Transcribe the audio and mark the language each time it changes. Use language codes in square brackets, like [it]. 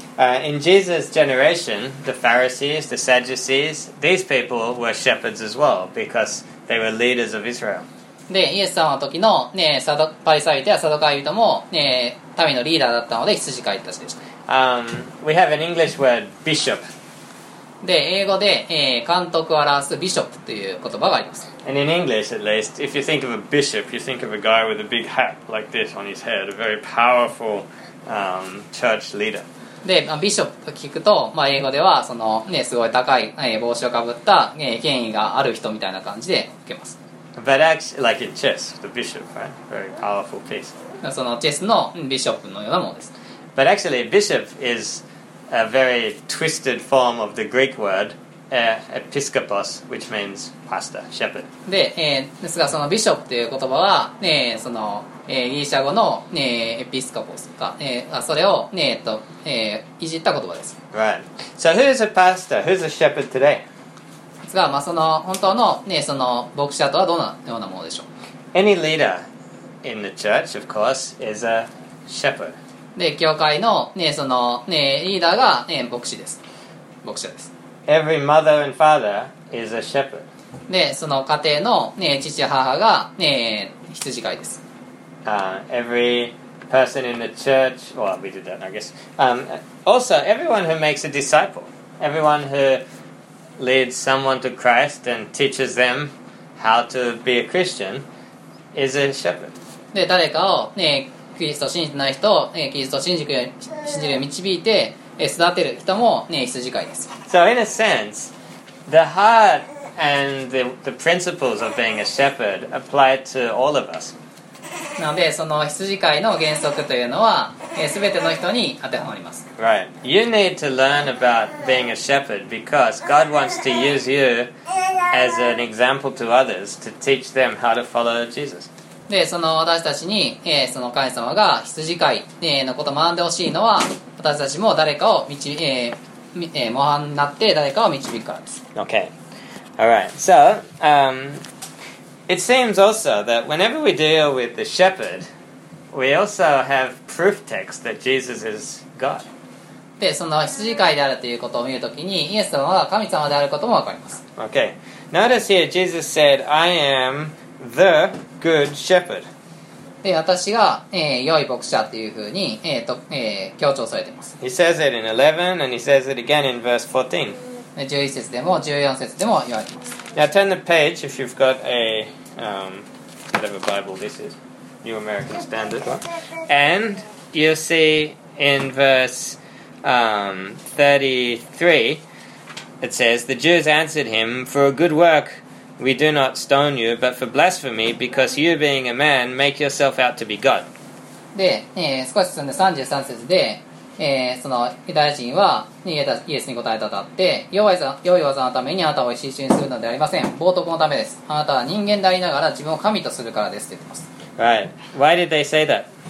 [en] In Jesus' generation, the Pharisees, the Sadducees, these people were shepherds as well, because they were leaders of Israel. [ja] で、イエス様の時の、ね、サドパリサイ人やサドカイ人も、ね、民のリーダーだったので羊飼いたちでした。 [en] We have an English word, bishop. [ja] で、英語で、監督を表すビショップという言葉があります。 [en] And in English, at least, if you think of a bishop, you think of a guy with a big hat like this on his head, a very powerful, church leader. [ja] で、まあ、ビショップと聞くと、まあ、英語ではその、ね、すごい高い、帽子をかぶった、権威がある人みたいな感じで受けます。 [en] But actually, like in chess, the bishop, right? Very powerful piece. [ja] そのチェスのビショップのようなものです。 [en] But actually, bishop is a very twisted form of the Greek word, episkopos, which means pastor, shepherd. [ja] で、ですがそのビショップという言葉は、ね、そのギリシャ語の、ね、エピスコポスか、それを、ねいじった言葉です。 [en] Right. So who is a pastor? Who is a shepherd today? [ja] ですが、まあ、その本当の、ね、その牧者とはどのようなものでしょう。 [en] Any leader in the church, of course, is a shepherd. [ja] で、教会の、ね、その、ね、リーダーが、ね、牧師です。牧者です。 [en] Every mother and father is a shepherd. [ja] で、その家庭の、ね、父母が、ね、羊飼いです。 [en] Every person in the church, well, we did that, I guess. Also, everyone who makes a disciple, everyone who leads someone to Christ and teaches them how to be a Christian, is a shepherd. [ja] で、誰かを、ね、キリストを信じてない人を、ね、キリストを信じるように導いて、育てる人も、ね、羊飼いです。 [en] So, in a sense, the heart and the principles of being a shepherd apply to all of us. [ja] なのでその羊飼いの原則というのは、全ての人に当てはまります。 [en] Right. You need to learn about being a shepherd because God wants to use you as an example to others to teach them how to follow Jesus. [ja] で、その私たちに、その神様が羊飼い、のことを学んでほしいのは、私たちも誰かを導、模範になって誰かを導くからです。 [en] Okay. All right. So, It seems also that whenever we deal with the shepherd, we also have proof text that Jesus is God. [ja] で、その羊飼いであるということを見るときに、イエス様は神様であることもわかります。 [en] Okay. Notice here, Jesus said, I am the good shepherd. [ja] で、私が、良い牧者というふうに、強調されています。 [en] He says it in 11 and he says it again in verse 14. [ja] 11節でも14節でも言われています。 [en] Now turn the page if you've got a whatever Bible this is, New American Standard one, and you'll see in verse 33 it says, The Jews answered him, For a good work we do not stone you, but for blasphemy, because you being a man make yourself out to be God. [ja] で、少し進んで33節で、そのユダヤ人はイエスに答えたとあって良い技のためにあなたを一緒にするのではありません冒涜のためですあなたは人間でありながら自分を神とするからですと言ってます、 [en] right. Why did they say that?